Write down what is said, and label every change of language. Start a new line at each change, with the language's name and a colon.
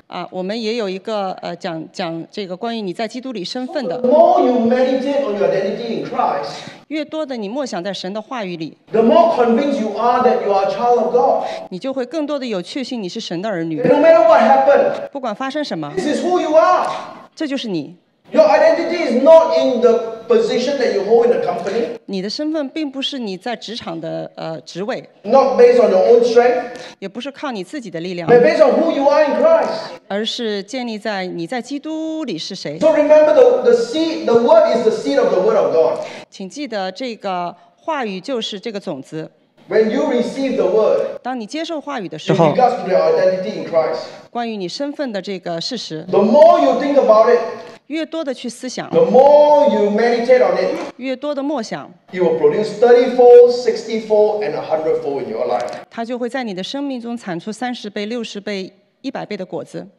Chinese: 我们也有一个讲这个关于你在基督里身份的。
English: The more you meditate on your identity in Christ,
Chinese: 越多的你默想在神的话语里
English: ，the more convinced you are that you are a child of God,
Chinese: 你就会更多的有确信你是神的儿女。
English: No matter what happened,
Chinese: 不管发生什么
English: ，this is who you are,
Chinese: 这就是你。
English: Your identity is not in the position that you hold in the company.
Chinese: 你的身份并不是你在职场的职位。
English: Not based on your own strength.
Chinese: 也不是靠你自己的力量。
English: But based on who you are in Christ.
Chinese: 而是建立在你在基督里是谁。
English: So remember the seed, the word is the seed of the word of God.
Chinese: 请记得这个话语就是这个种子。
English: When you receive the word.
Chinese: 当你接受话语的时候。
English: In regards to your identity in Christ.
Chinese: 关于你身份的这个事实。
English: The more you think about it.
Chinese: 越多的去思想
English: the more you meditate on it,
Chinese: 越多的默想
English: it will produce 30-fold, 60-fold, and 100-fold in your life.
Chinese: 它就会在你的生命中产出30倍、60倍、100倍的果子。